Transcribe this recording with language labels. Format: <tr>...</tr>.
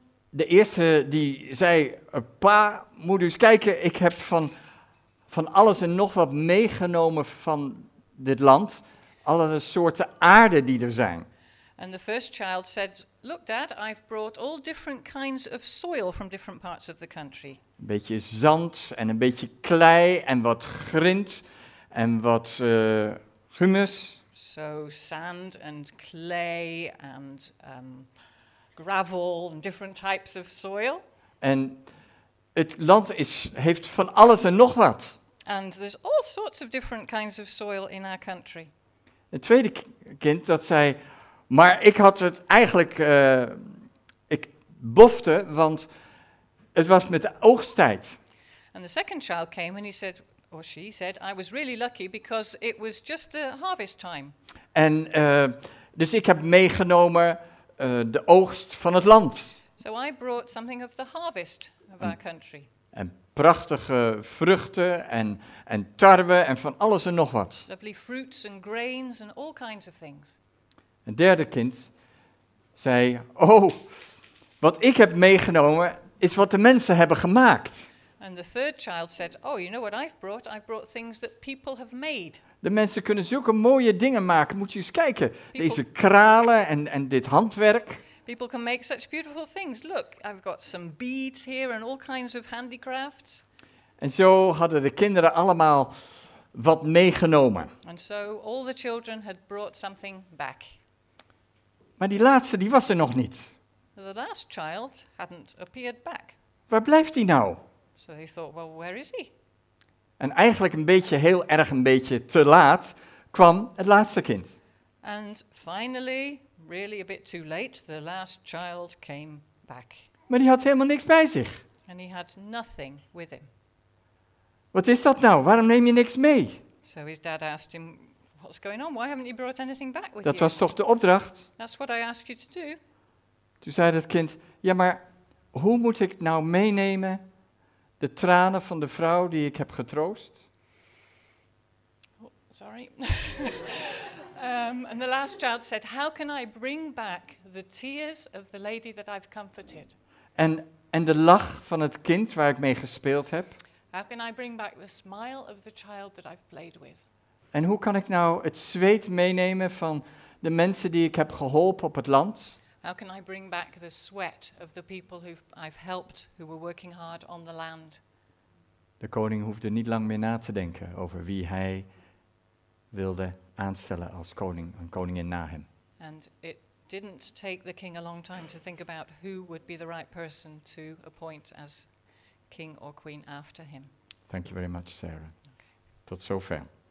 <nl>De eerste die zei, pa, moet u eens kijken, ik heb van alles en nog wat meegenomen van dit land, alle soorten aarde die er zijn.</nl> <en>And the first child said, look dad, I've brought all different kinds of soil from different parts of the country.</en> <nl>Een beetje zand en een beetje klei en wat grind en wat humus.</nl> <en>So sand and clay and gravel and different types of soil.</en> <nl>En het land heeft van alles en nog wat.</nl> <en>And there's all sorts of different kinds of soil in our country.</en> <nl>Het tweede kind dat zei, maar ik had het eigenlijk, ik bofte, want het was met de oogsttijd.</nl> <en>And the second child came and he said, or she said, I was really lucky because it was just the harvest time.</en> <nl>En dus ik heb meegenomen de oogst van het land.</nl> <en>So I brought something of the harvest of our country.</en> <nl>En prachtige vruchten en tarwe en van alles en nog wat.</nl> <en>Lovely fruits and grains and all kinds of things.</en> <nl>Een derde kind zei, oh, wat ik heb meegenomen is wat de mensen hebben gemaakt.</nl> <en>And the third child said, oh, you know what I've brought? I've brought things that people have made.</en> <nl>De mensen kunnen zulke mooie dingen maken. Moet je eens kijken. People, deze kralen en dit handwerk.</nl> <en>People can make such beautiful things. Look, I've got some beads here and all kinds of handicrafts.</en> <nl>En zo hadden de kinderen allemaal wat meegenomen.</nl> <en>And so all the children had brought something back.</en> <nl>Maar die laatste, die was er nog niet.</nl> <en>The last child hadn't appeared back.</en> <nl>Waar blijft die nou?</nl> <en>So they thought, well, where is he?</en> <nl>En eigenlijk een beetje, heel erg een beetje te laat, kwam het laatste kind.</nl> <en>And finally, really a bit too late, the last child came back.</en> <nl>Maar die had helemaal niks bij zich.</nl> <en>And he had nothing with him.</en> <nl>Wat is dat nou? Waarom neem je niks mee?</nl> <en>So his dad asked him, what's going on? Why haven't you brought anything back with</en> <nl>dat</nl> <en>you?</en> <nl>Dat was toch de opdracht?</nl> <en>That's what I asked you to do.</en> <nl>Toen zei dat kind, ja, maar hoe moet ik nou meenemen de tranen van de vrouw die ik heb getroost?</nl> <en>Oh, sorry. and the last child said, how can I bring back the tears of the lady that I've comforted?</en> <nl>En de lach van het kind waar ik mee gespeeld heb?</nl> <en>How can I bring back the smile of the child that I've played with?</en> <nl>En hoe kan ik nou het zweet meenemen van de mensen die ik heb geholpen op het land?</nl> <en>How can I bring back the sweat of the people who I've helped, who were working hard on the land?</en> <nl>De koning hoefde niet lang meer na te denken over wie hij wilde aanstellen als koning, een koningin na hem.</nl> <en>And it didn't take the king a long time to think about who would be the right person to appoint as king or queen after him. Thank you very much, Sarah. Okay.</en> <nl>Tot zover.</nl>